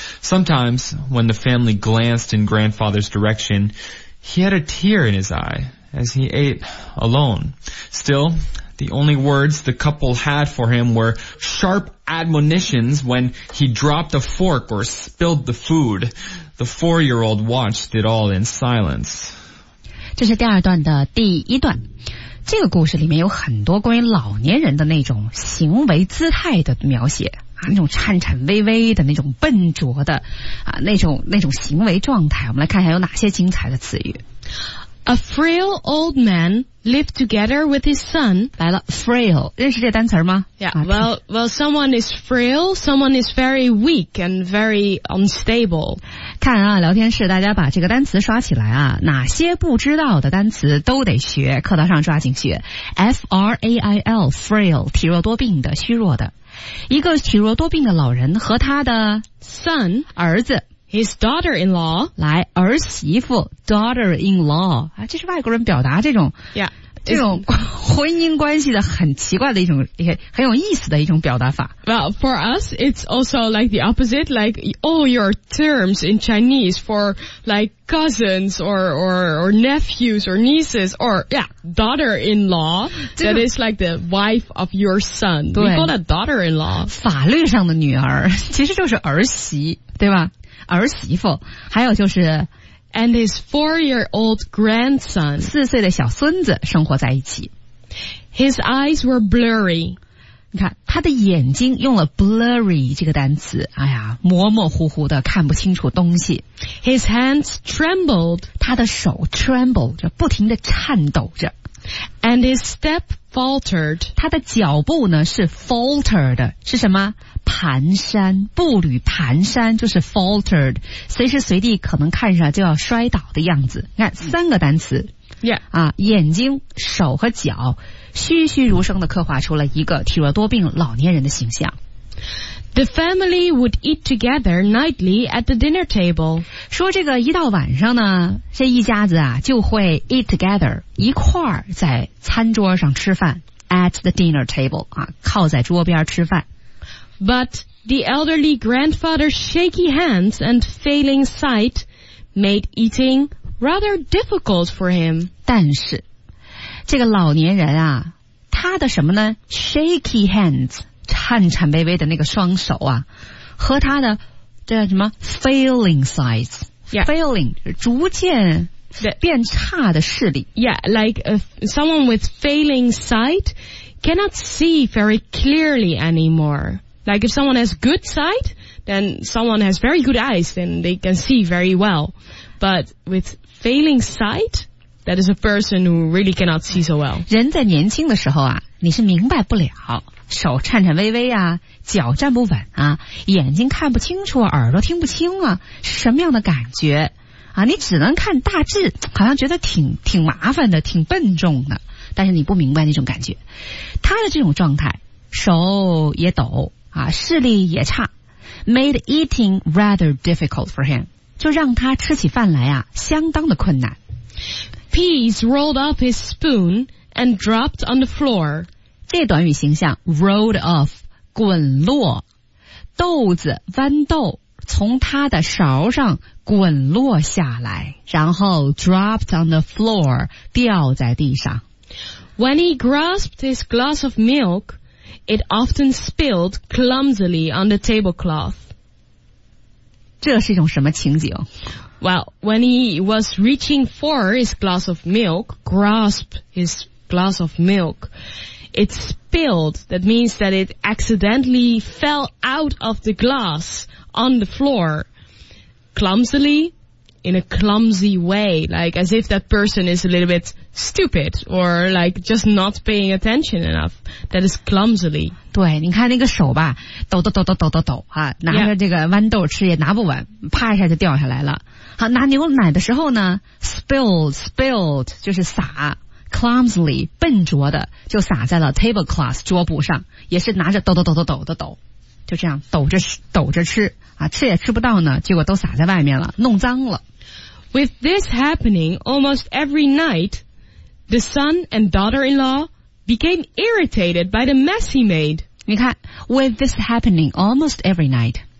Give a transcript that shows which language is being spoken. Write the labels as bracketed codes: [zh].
[en] Sometimes, when the family glanced in grandfather's direction, he had a tear in his eye as he ate alone. Still, the only words the couple had for him were sharp admonitions when he dropped a fork or spilled the food. The four-year-old watched it all in silence. [zh] 这是第二段的第一段。这个故事里面有很多关于老年人的那种行为姿态的描写啊，那种颤颤巍巍的那种笨拙的啊，那种行为状态。我们来看一下有哪些精彩的词语。 [en] A frail old man lived together with his son. [zh] 来了 ,frail, 认识这单词吗 [en] ?Yeah, well, someone is frail, someone is very weak and very unstable. [zh] 看啊聊天室大家把这个单词刷起来啊，哪些不知道的单词都得学，课堂上抓紧学。 F-R-A-I-L, frail, 体弱多病的虚弱的。一个体弱多病的老人和他的 [en] son, [zh] 儿子。 [en] His daughter-in-law. [zh] 来儿媳妇 daughter-in-law.、啊、这是外国人表达这种、 [en] yeah. [zh] 这种婚姻关系的很奇怪的一种也很有意思的一种表达法。 [en] Well, for us, it's also like the opposite, like all your terms in Chinese for like cousins or nephews or nieces or, yeah, daughter-in-law, that is like the wife of your son. We call that daughter-in-law. [zh] 法律上的女儿其实就是儿媳对吧儿媳妇还有就是 [en] and his four-year-old grandson [zh] 四岁的小孙子生活在一起 [en] his eyes were blurry [zh] 你看他的眼睛用了 blurry 这个单词哎呀模模糊糊的看不清楚东西 [en] his hands trembled [zh] 他的手 trembled 着不停地颤抖着 [en] and his step faltered [zh] 他的脚步呢是 faltered 是什么蹒跚步履蹒跚就是 faltered 随时随地可能看上就要摔倒的样子看三个单词、 [en] yeah. [zh] 啊、眼睛手和脚栩栩如生地刻画出了一个体弱多病老年人的形象 [en] The family would eat together nightly at the dinner table [zh] 说这个一到晚上呢这一家子啊就会 [en] eat together [zh] 一块儿在餐桌上吃饭 [en] at the dinner table、 [zh] 啊、靠在桌边吃饭 [en] But the elderly grandfather's shaky hands and failing sight made eating rather difficult for him. [zh] 但是这个老年人啊他的什么呢 [en] shaky hands, [zh] 颤颤巍巍的那个双手啊和他的这什么 [en] failing sight,、 yeah. [zh] failing, 逐渐变差的视力。 [en] Yeah, like someone with failing sight cannot see very clearly anymore. Like if someone has good sight, then someone has very good eyes, then they can see very well. But with failing sight, that is a person who really cannot see so well. [zh] 人在年轻的时候啊，你是明白不了，手颤颤巍巍啊，脚站不稳啊，眼睛看不清楚，耳朵听不清啊，是什么样的感觉啊？你只能看大致，好像觉得挺麻烦的，挺笨重的，但是你不明白那种感觉。他的这种状态，手也抖。啊，视力也差 ， [en] made eating rather difficult for him， [zh] 就让他吃起饭来啊，相当的困难。 [en] Peas rolled off his spoon and dropped on the floor。 [zh] 这短语形象 [en] rolled off， [zh] 滚落，豆子豌豆从他的勺上滚落下来，然后 [en] dropped on the floor， [zh] 掉在地上。 [en] When he grasped his glass of milk。 It often spilled clumsily on the tablecloth. [zh] 这是一种什么情景? [en] Well, when he was reaching for his glass of milk, grasped his glass of milk, it spilled. That means that it accidentally fell out of the glass on the floor. Clumsily, in a clumsy way, like as if that person is a little bit... stupid, or like just not paying attention enough. That is clumsily. [zh] 对，你看那个手吧，抖抖抖抖抖抖抖啊，拿着这个豌豆吃也拿不稳，啪一下就掉下来了。好，拿牛奶的时候呢 ，spilled 就是洒 ，clumsily 笨拙的就洒在了 tablecloth 桌布上，也是拿着抖抖抖抖抖的抖，就这样抖着吃啊，吃也吃不到呢，结果都洒在外面了，弄脏了。 [en] With this happening almost every night. The son and daughter-in-law became irritated by the mess he made. [zh] 你看 [en] with this happening almost every night.